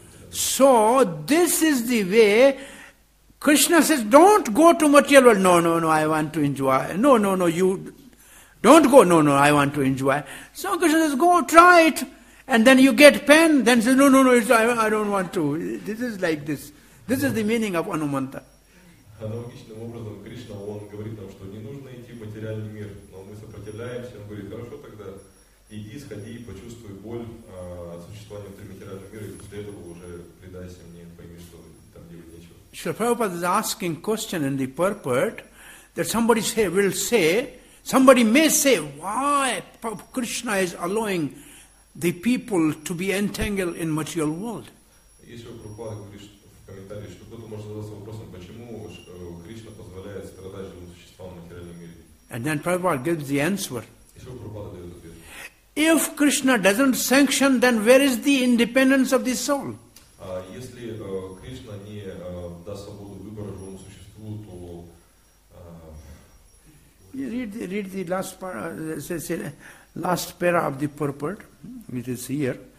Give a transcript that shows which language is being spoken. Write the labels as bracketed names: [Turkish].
[English] So this is the way Krishna says, don't go to material world. No, no, no, I want to enjoy. No, no, no, you don't go. No, no, I want to enjoy. So Krishna says, go, try it. And then you get pain. Then says, no, no, no, I don't want to. This is like this. This is the meaning of Anumanta. [Russian] Аналогичным образом Кришна, он говорит нам, что не нужно идти в материальный мир, но мы сопротивляемся. сопротивляемся. Он говорит, хорошо тогда, иди, сходи, почувствуй боль от существования внутри материального мира, и после этого уже предайся мне, пойми, что там делать нечего. [English] Шрила Прабхупада is asking question in the purport that somebody say, will say, somebody may say, why Krishna is allowing the people to be entangled in material world. [Russian] Если вы Прабхупада говорит в комментарии, что кто-то может задаться вопросом, почему Кришна позволяет страдать живым существам в материальном мире. [English] And then Prabhupada gives the answer. [Russian] Если вы Прабхупада дает ответ. [English] If Krishna doesn't sanction, then where is the independence of the soul? [Russian] Если Кришна не даст свободу выбора живому существу, то... [English] Read the last part, last para of the purport, which is here.